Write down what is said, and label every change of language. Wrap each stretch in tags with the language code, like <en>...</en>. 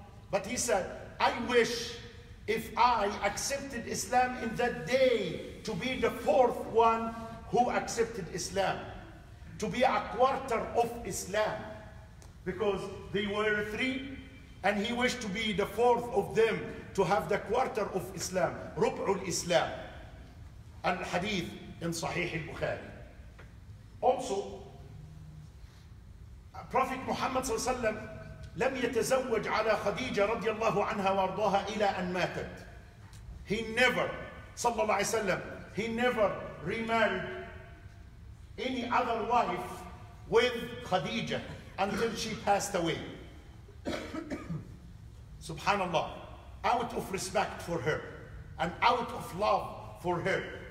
<en>But he said, I wish if I accepted Islam in that day to be the fourth one who accepted Islam, to be a quarter of Islam, because they were three, and he wished to be the fourth of them to have the quarter of Islam, rub'ul Islam, al-hadith in Sahih al-Bukhari. Also, Prophet Muhammad sallallahu alayhi wa sallam</en> <ar>لم يتزوج على خديجة رضي الله عنها وارضاها إلى أن ماتت.</ar> <en>He never,</en> <ar>صلى الله عليه وسلم,</ar> <en>he never remarried any other wife with خديجة until she passed away.</en> <ar>سبحان الله.</ar> <en>Out of respect for her and out of love for her.</en>